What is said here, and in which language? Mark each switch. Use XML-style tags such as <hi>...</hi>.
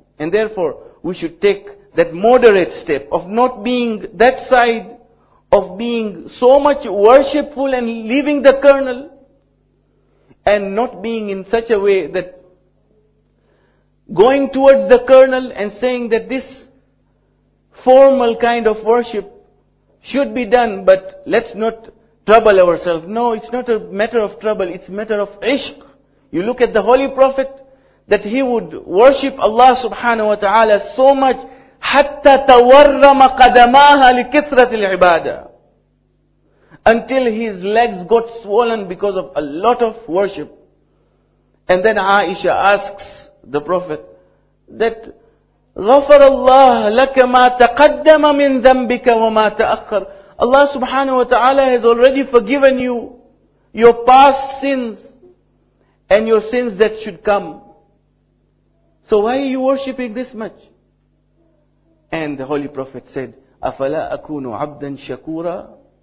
<en>And therefore, we should take that moderate step of not being that side of being so much worshipful and leaving the kernel and not being in such a way that going towards the kernel and saying that this formal kind of worship should be done but let's not trouble ourselves. No, it's not a matter of trouble, it's a matter of ishq. You look at the Holy Prophet, that he would worship Allah subhanahu wa ta'ala so much,</en> <ar>حتى تورم قدماها لكثرة العبادة,</ar> <en>until his legs got swollen because of a lot of worship. And then Aisha asks the Prophet that</en> <ar>غفر الله لك ما تقدم من ذنبك وما تأخر.</ar> <en>Allah subhanahu wa ta'ala has already forgiven you your past sins and your sins that should come. So why are you worshipping this much? And the Holy Prophet said,</en> <ar>أَفَلَا أَكُونُ عَبْدًا شَكُورًا.</ar>